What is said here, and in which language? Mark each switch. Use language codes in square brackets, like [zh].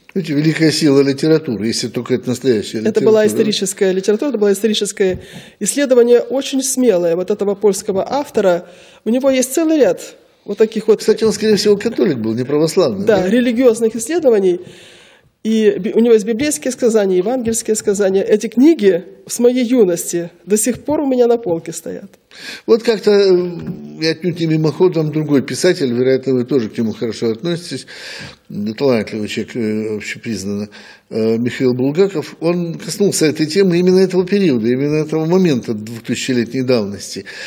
[ru] Видите, великая сила литературы, если только это настоящая литература. Это была историческая литература, это было историческое исследование, очень смелое вот этого польского автора. У него есть целый ряд вот таких вот... Кстати, он, скорее всего, католик был, не православный. Да, религиозных исследований. [uk] І у нього є біблійське сказання, євангельське сказання. Ці книги з моєї юності [ru] до сих пор [uk] у мене на полці стоять. [ru] Вот как-то я отнюдь не мимоходом другой писатель, вероятно, вы тоже к нему хорошо относитесь, талантливый человек, общепризнанно, Михаил Булгаков, он коснулся этой темы именно этого периода, именно этого момента 2000-летней давности.